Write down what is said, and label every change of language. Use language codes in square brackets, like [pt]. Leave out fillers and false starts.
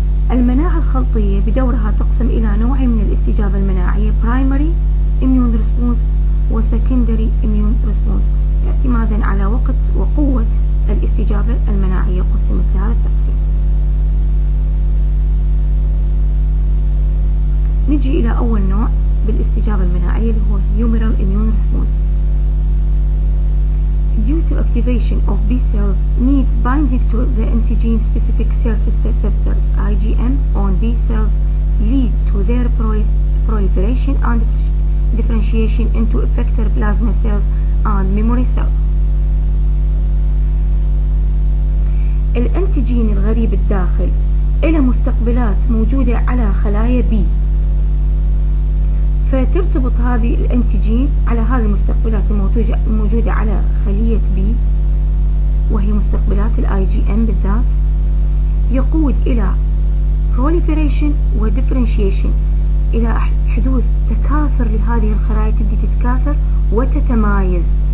[ar] المناعة الخلطية بدورها تقسم إلى نوعين من الاستجابة المناعية برايمري إميون ريسبونس وسكندري إميون ريسبونس اعتمادا على وقت وقوة الاستجابة المناعية قسمت لهذا التقسيم. نجي إلى أول نوع بالاستجابة المناعية اللي هو هيوميرال إميون ريسبونس. [en] Due to activation of B cells needs binding to the antigen specific surface receptors IgM on B cells lead to their proliferation and differentiation into effector plasma cells and memory cells. [ar] الانتيجين الغريب الداخل إلى مستقبلات موجودة على خلايا B فترتبط هذه الانتيجين على هذه المستقبلات الموجودة على خلية B وهي مستقبلات الـ IgM بالذات يقود إلى proliferation و differentiation إلى حدوث تكاثر لهذه الخلايا تبدي تتكاثر وتتمايز.